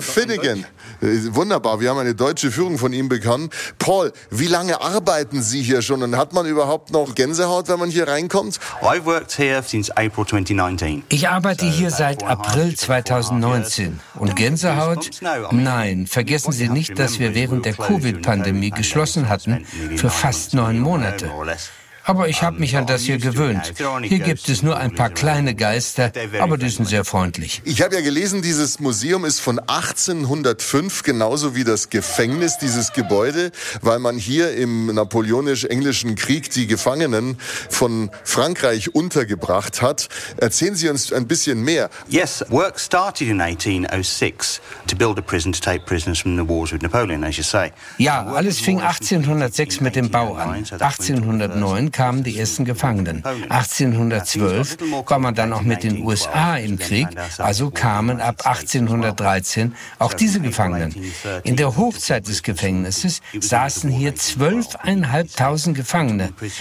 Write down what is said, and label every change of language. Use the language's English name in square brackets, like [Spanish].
[German] Finnegan, wunderbar, wir haben eine deutsche Führung von ihm bekommen. Paul, wie lange arbeiten Sie hier schon und hat man überhaupt noch Gänsehaut, wenn man hier reinkommt? [English] I've worked here since April 2019. [German] Ich arbeite hier seit April 2019. Und Gänsehaut? Nein, vergessen Sie nicht, dass wir während der Covid-Pandemie geschlossen hatten für fast 9 Monate. Aber ich habe mich an das hier gewöhnt. Hier gibt es nur ein paar kleine Geister, aber die sind sehr freundlich. Ich habe ja gelesen, dieses Museum ist von 1805, genauso wie das Gefängnis, dieses Gebäude, weil man hier im napoleonisch-englischen Krieg die Gefangenen von Frankreich untergebracht hat. Erzählen Sie uns ein bisschen mehr. [English] Yes, work started in 1806 to build a prison to take prisoners from the wars with Napoleon, as you say. [German] Ja, alles fing 1806 mit dem Bau an. 1809 kamen die ersten Gefangenen. 1812 war man dann auch mit den USA im Krieg, also kamen ab 1813 auch diese Gefangenen. In der Hochzeit des Gefängnisses saßen hier 12.500 Gefangene.